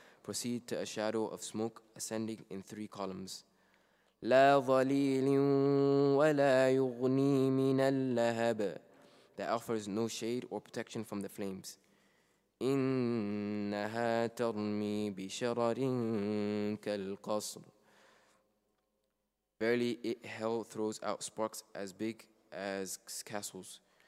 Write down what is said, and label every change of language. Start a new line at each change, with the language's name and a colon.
English: proceed to a shadow of smoke ascending in three columns.
Arabic: لا ظليل ولا يغني من اللهب.
English: That offers no shade or protection from the flames.
Arabic: إنها ترمي بشرر كالقصر.
English: Verily, hell throws out sparks as big as castles.